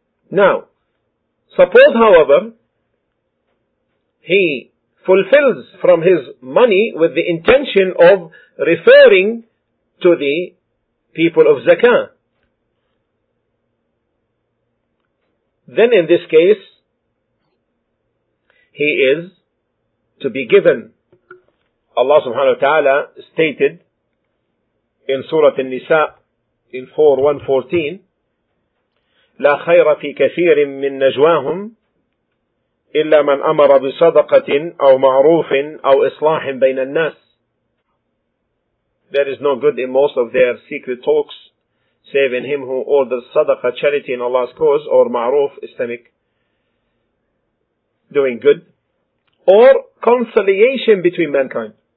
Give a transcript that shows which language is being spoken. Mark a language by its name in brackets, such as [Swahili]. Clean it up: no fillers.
[English] Now, suppose, however, he fulfills from his money with the intention of referring to the people of zakah. Then in this case, he is to be given. Allah subhanahu wa ta'ala stated in Surah An-Nisa in 4:114, [Arabic] لَا خَيْرَ فِي كَثِيرٍ مِّن نَجْوَاهُمْ إِلَّا مَنْ أَمَرَ بِصَدَقَةٍ أَوْ مَعْرُوفٍ أَوْ إِصْلَاحٍ بَيْنَ النَّاسِ. [English] There is no good in most of their secret talks, save in him who orders sadaqa, charity in Allah's cause, or ma'roof, Islamic, doing good, or conciliation between mankind.